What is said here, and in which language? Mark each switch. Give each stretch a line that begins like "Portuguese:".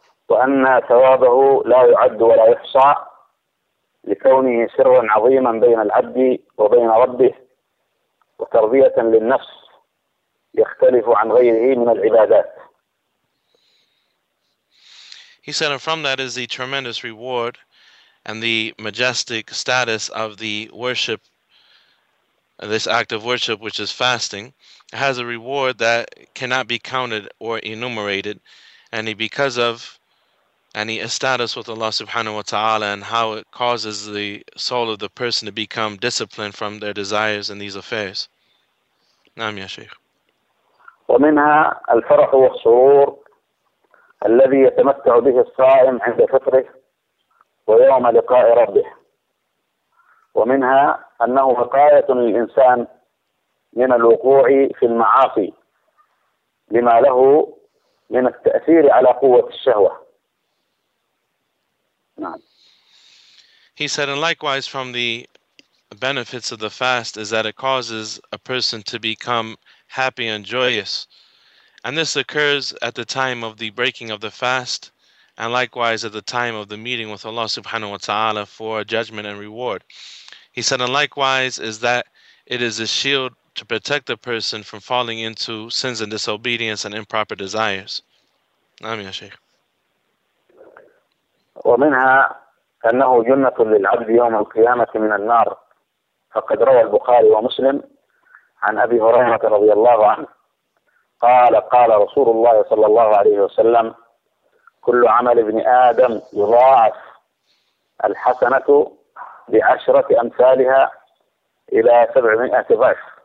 Arabic: وأن ثوابه لا يعد ولا يحصى لكونه سرا عظيما بين العبد وبين ربه وتربية للنفس يختلف عن غيره من العبادات.
English: He said, and from that is the tremendous reward and the majestic status of the worship, this act of worship, which is fasting. It has a reward that cannot be counted or enumerated, and because of any status with Allah subhanahu wa ta'ala and how it causes the soul of the person to become disciplined from their desires in these affairs.
Arabic: Naam ya Shaykh. ومنها الفرح والسرور الذي يتمتع به الصائم عند فطره ويوم لقاء ربه. ومنها أنه وقاية للإنسان من الوقوع في المعاصي لما له من التأثير على قوة الشهوة.
English: He said, and likewise from the benefits of the fast is that it causes a person to become happy and joyous. And this occurs at the time of the breaking of the fast, and likewise at the time of the meeting with Allah subhanahu wa ta'ala for judgment and reward. He said, and likewise is that it is a shield to protect the person from falling into sins and disobedience and improper desires.
Arabic: Amin ya Shaykh. ومنها أنه جنة للعبد يوم القيامة من النار فقد روى البخاري ومسلم عن أبي هريرة رضي الله عنه قال: قال رسول الله صلى الله عليه وسلم: كل عمل ابن آدم يضاعف الحسنة بعشرة أمثالها إلى 700 ضعف.